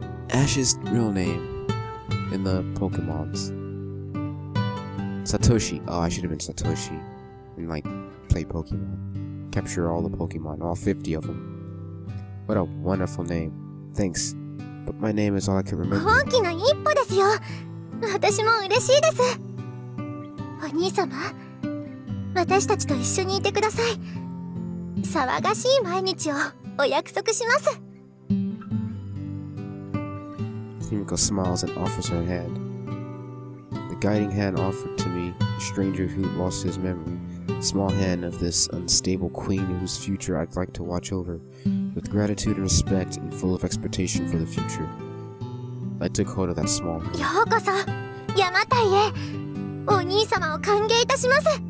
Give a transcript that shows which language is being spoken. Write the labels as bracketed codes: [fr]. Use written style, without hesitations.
[en] Ash's real name. In the Pokemons. Satoshi. Oh, I should have been Satoshi. And like, play Pokemon. Capture all the Pokemon. All 50 of them. What a wonderful name. Thanks. But my name is all I can remember. [ja] 大きな一歩ですよ。私も嬉しいです。お兄様、私たちと一緒にいてください。騒がしい毎日をお約束します。 [en] Himiko smiles and offers her hand. The guiding hand offered to me, a stranger who lost his memory, small hand of this unstable queen whose future I'd like to watch over, with gratitude and respect and full of expectation for the future. I took hold of that small hand. [ja] ようこそ、ヤマタイへ。お兄様を歓迎いたします。